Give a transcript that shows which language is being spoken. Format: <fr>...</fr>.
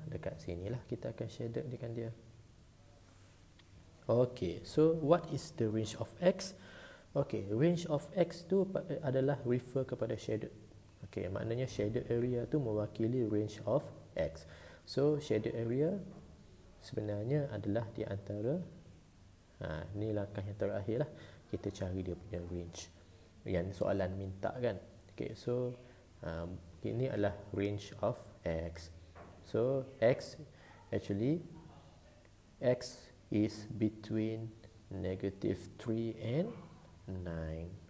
<ms>Dekat sinilah kita akan shader dengan dia.</ms> <en>Okay, so what is the range of x?</en> <ms>Okay, range of x tu adalah refer kepada shader. Okay, maknanya shaded area tu mewakili range of x. So, shaded area sebenarnya adalah di antara, ni langkah yang terakhir lah, kita cari dia punya range yang soalan minta kan. Okay, so ini adalah range of x.</ms> <en>So x actually x is between negative 3 and 9.</en>